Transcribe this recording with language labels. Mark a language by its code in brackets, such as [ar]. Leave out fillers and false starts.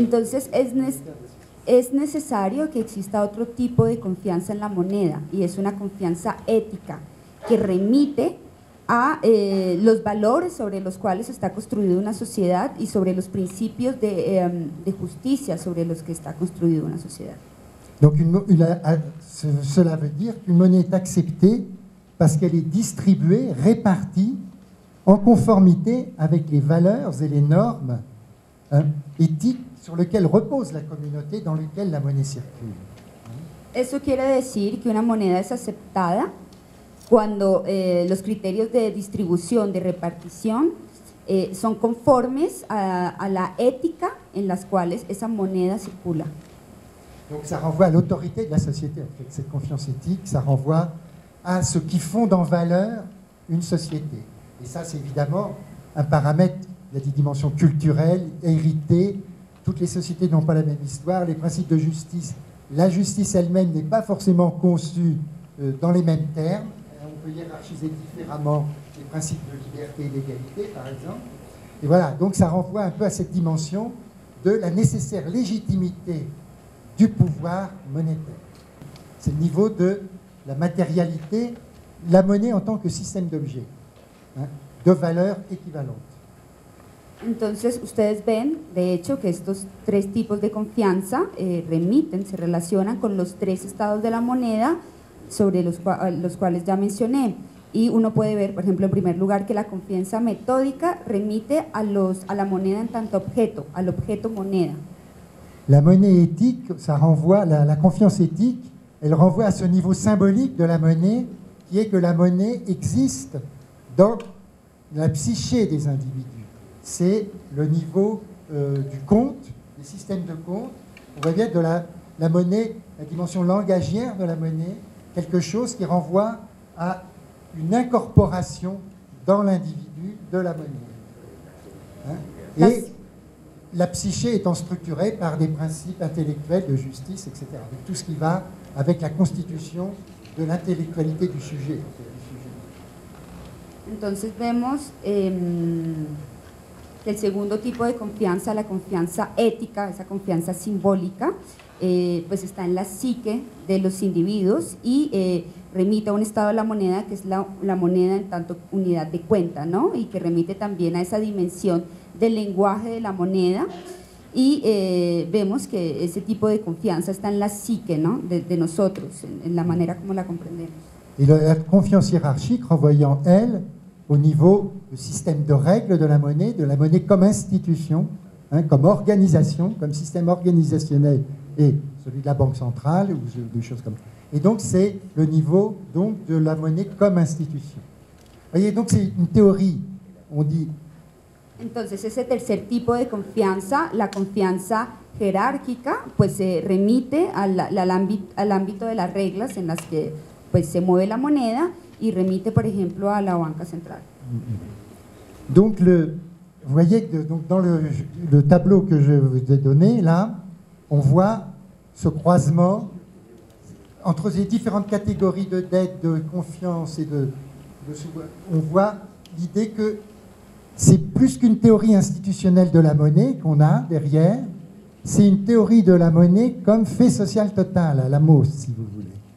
[es] Entonces, es necesario que exista otro tipo de confianza en la moneda y es una confianza ética que remite a los valores sobre los cuales está construida una sociedad y sobre los principios de justicia sobre los que está construida una sociedad. [fr] Donc, cela veut dire qu'une monnaie est acceptée parce qu'elle est distribuée, répartie, en conformité avec les valeurs et les normes éthiques sur lesquelles repose la communauté dans laquelle la monnaie circule. [es] Eso quiere decir que una moneda es aceptada cuando los criterios de distribución, de repartición, son conformes a la ética en las cuales esa moneda circula. [fr] Donc ça renvoie à l'autorité de la société, avec cette confiance éthique, ça renvoie à ce qui fonde en valeur une société. Et ça, c'est évidemment un paramètre, il y a des dimensions culturelles, héritées, toutes les sociétés n'ont pas la même histoire, les principes de justice, la justice elle-même n'est pas forcément conçue dans les mêmes termes, on peut hiérarchiser différemment les principes de liberté et d'égalité, par exemple. Et voilà, donc ça renvoie un peu à cette dimension de la nécessaire légitimité du pouvoir monétaire. C'est le niveau de la matérialité, la monnaie en tant que système d'objets, de valeurs équivalentes. [es] Entonces, ustedes ven, de hecho, que estos tres tipos de confianza remiten, se relacionan con los tres estados de la moneda sobre los cuales ya mencioné. Y uno puede ver, por ejemplo, en primer lugar, que la confianza metódica remite a la moneda en tanto objeto, al objeto moneda. [fr] La monnaie éthique, ça renvoie, la confiance éthique, elle renvoie à ce niveau symbolique de la monnaie, qui est que la monnaie existe dans la psyché des individus. C'est le niveau du compte, des systèmes de compte, on va dire de la monnaie, la dimension langagière de la monnaie, quelque chose qui renvoie à une incorporation dans l'individu de la monnaie. Hein? Et la psyché étant structurée par des principes intellectuels de justice, etc. Donc, tout ce qui va avec la constitution de l'intellectualité du sujet. [es] Entonces vemos que el segundo tipo de confianza, la confianza ética, esa confianza simbólica, pues está en la psique de los individuos y remite a un estado de la moneda, que es la moneda en tanto unidad de cuenta, ¿no? Y que remite también a esa dimensión del lenguaje de la moneda. Y vemos que ese tipo de confianza está en la psique, ¿no? De nosotros, en la manera como la comprendemos. Y la confianza hierárquica, [fr] renvoyant elle, au niveau du système de règles de la monnaie comme institution, hein, comme organisation, comme système organisationnel, et celui de la banque centrale, ou des choses comme ça. Et donc c'est le niveau donc, de la monnaie comme institution. Vous voyez, donc c'est une théorie, on dit. [es] Entonces, ese tercer tipo de confianza, la confianza jerárquica, pues se remite al ámbito de las reglas en las que pues, se mueve la moneda, y remite, por ejemplo, a la banca central. [fr] Donc, vous voyez que donc dans le tableau que je vous ai donné, là, on voit ce croisement entre les différentes catégories de dette, de confiance et de on voit l'idée que c'est plus qu'une théorie institutionnelle de la monnaie qu'on a derrière, c'est une théorie de la monnaie comme fait social total, à la MOS, si vous voulez.